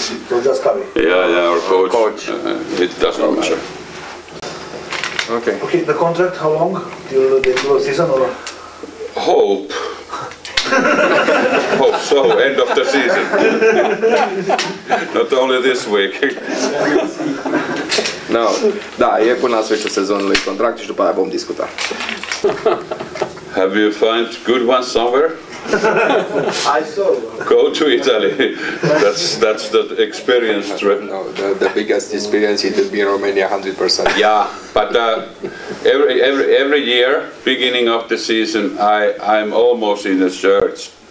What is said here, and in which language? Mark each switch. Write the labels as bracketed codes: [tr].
[en] You're just curry. Yeah, or coach. Coach. It doesn't matter. Okay. Okay, the contract, how long? Till the end of the season, or? Hope. Hope so, end of the season. Not only this week. [ro] No, da, e până la sfârșitul sezonului contract și după aia vom discuta. [en] Have you found good ones somewhere? I saw one. Go to Italy. That's the experience trip. No, the biggest experience it would be in Romania, 100%. Yeah, but every year, beginning of the season, I'm almost in the search.